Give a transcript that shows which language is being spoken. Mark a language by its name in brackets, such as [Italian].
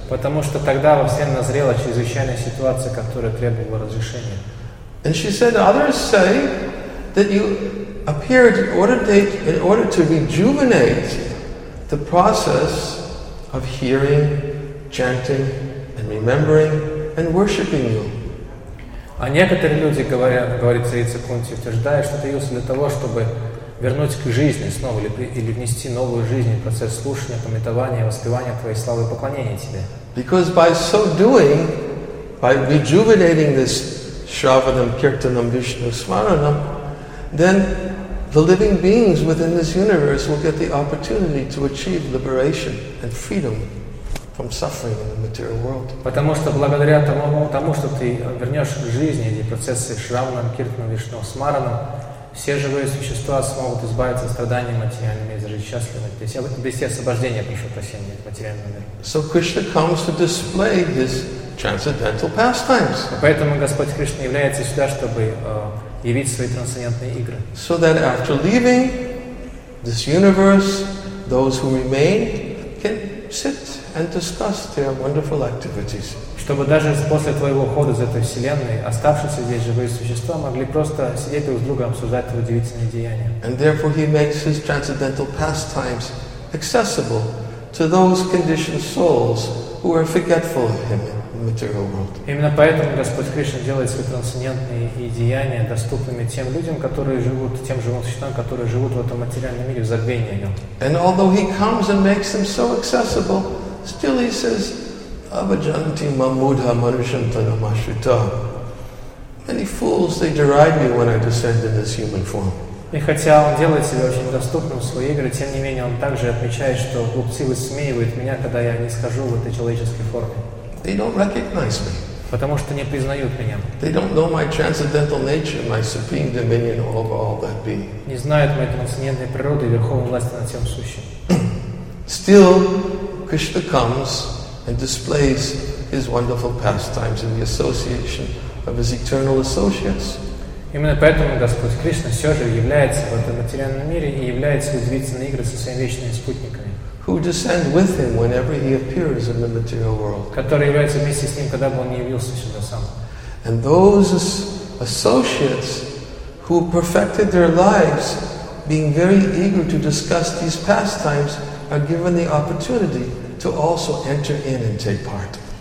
[Russian] Потому что тогда во всем назрела чрезвычайная ситуация, которая требовала разрешения. [English] And she said, others say that you appeared in order to rejuvenate the process of hearing, chanting, and remembering and worshiping you. [Russian] А некоторые люди говорят, царица Кунти, утверждая, что ты явился для того, чтобы вернуть к жизни снова или внести новую жизнь в процесс слушания, памятования, воспевания твоей славы и поклонения тебе. [English] Because by so doing, by rejuvenating this Shravanam, Kirtanam, Vishnu, Smaranam, then the living beings within this universe will get the opportunity to achieve liberation and freedom from suffering in the material world. [Russian] Потому что благодаря тому, что ты вернешь к жизни эти процессы Шравана, Киртана, Вишну, Смарана, все живые существа смогут избавиться от страданий материальными и жить счастливо. То есть обрести освобождение, прошу прощения, от материального мира. [English] So Krishna comes to display his transcendental pastimes. [Russian] Поэтому Господь Кришна является сюда, чтобы явить свои трансцендентные игры. [English] So that after leaving this universe, those who remain can sit and discuss their wonderful activities. [Russian] Чтобы даже после твоего ухода из этой вселенной оставшиеся здесь живые существа могли просто сидеть друг с другом, обсуждать твои удивительные деяния. [English] And therefore he makes his transcendental pastimes accessible to those conditioned souls who are forgetful of him in the material world. [Russian] Именно поэтому Господь Кришна делает свои трансцендентные деяния доступными тем людям, которые живут, тем живым существам, которые живут в этом материальном мире в забвении о нем. [English] And although he comes and makes them so accessible, still he says, [Sanskrit] Abhajanti mamudha manushantana mashrita. [English] Many fools, they deride me when I descend in this human form. [Russian] И хотя он делает себя очень доступным в свои игры, тем не менее он также отмечает, что глупцы высмеивают меня, когда я не схожу в этой человеческой форме. [English] They don't recognize me. [Russian] Потому что не признают меня. [English] They don't know my transcendental nature, my supreme dominion over all that be. [Russian] Не знают моей трансцендентной природы и верховной власти над всем сущим. [English] Still, Krishna comes and displays his wonderful pastimes in the association of his eternal associates. [Russian] Именно поэтому Господь Кришна все же является в этом материальном мире и является удивительной игрой со своими вечными спутниками. [English] Who descend with him whenever he appears in the material world. [Russian] Которые являются вместе с ним, когда бы он не явился сюда сам. [English] And those associates who perfected their lives being very eager to discuss these pastimes are given the opportunity to also enter in and take part.